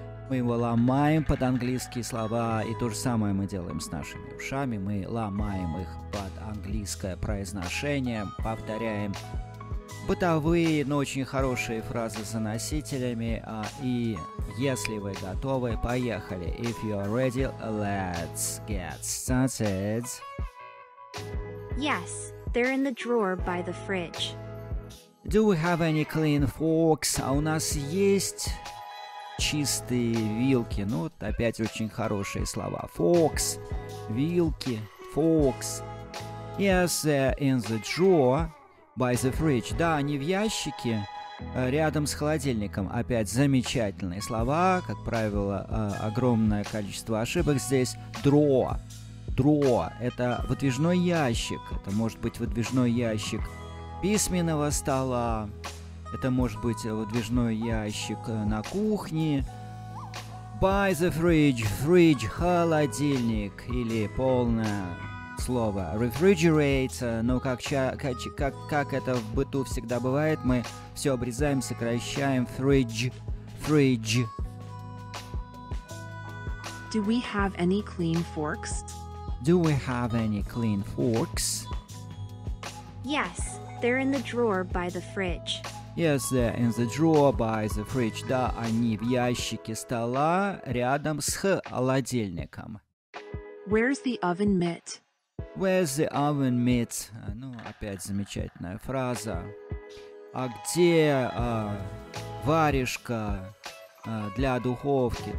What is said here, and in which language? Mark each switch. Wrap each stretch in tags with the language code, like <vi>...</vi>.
<ru>Мы его ломаем под английские слова, и то же самое мы делаем с нашими ушами. Мы ломаем их под английское произношение, повторяем бытовые, но очень хорошие фразы за носителями. И если вы готовы, поехали.</ru> <en>If you're ready, let's get started. Yes, they're in the drawer by the fridge. Do we have any clean forks?</en> <ru>А у нас есть чистые вилки. Ну, опять очень хорошие слова.</ru> <en>Forks.</en> <ru>Вилки.</ru> <en>Forks. Yes, in the drawer by the fridge.</en> <ru>Да, они в ящике рядом с холодильником. Опять замечательные слова. Как правило, огромное количество ошибок здесь.</ru> <en>Drawer. Drawer.</en> <ru>Это выдвижной ящик. Это может быть выдвижной ящик письменного стола. Это может быть выдвижной ящик на кухне.</ru> <en>By the fridge.</en> <ru>Fridge – холодильник. Или полное слово refrigerator. Но как это в быту всегда бывает, мы все обрезаем, сокращаем.</ru> <en>Fridge. Fridge. Do we have any clean forks? Do we have any clean forks? Yes, they're in the drawer by the fridge. Yes, they're in the drawer by the fridge.</en> <ru>Да, они в ящике стола рядом с холодильником.</ru> <en>Where's the oven mitt? Where's the oven mitt?</en> <ru>Ну, опять замечательная фраза. А где варежка для духовки?</ru>